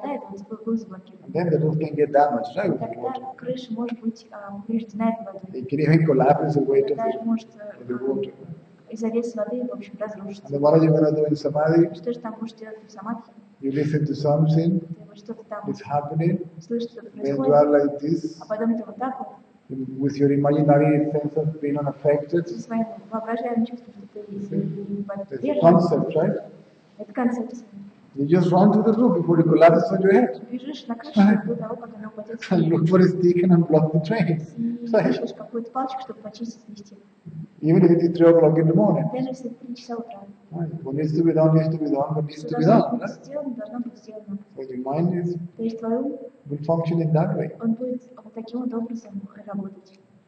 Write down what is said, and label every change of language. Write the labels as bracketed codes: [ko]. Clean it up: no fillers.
[en] And then the roof can get damaged, right? [ru] Тогда крыша может быть повреждена этой водой. [en] It can even collapse the weight of the water. [ru] Из-за веса воды, в общем, разрушится. [en] And what are you going to do in samadhi? [ru] Что же там можешь делать в самадхи? [en] You listen to something. It's happening. [ru] Слышишь, что происходит? [en] When you are like this. [ru] А потом ты вот так вот. [en] With your imaginary sense of being unaffected. [ru] С своим воображаемым чувством, что ты не подвержен. [en] It's a concept, right? [ru] Это концепция. [en] You just run to the roof before it collapses on your head. [ru] Бежишь на крышу, [en] and look for a stick and unblock the train. [ru] И ищешь какую-то палочку, чтобы почистить листья. [en] Even if it's 3 o'clock in the morning. [ru] Даже если 3 часа утра. [en] What needs to be done needs to be done, what needs to be done. [ru] Должно быть сделано, должно быть сделано. [en] So your mind is. [ru] То есть твой ум. [en] Will function in that way. [ru] Он будет вот таким вот образом работать.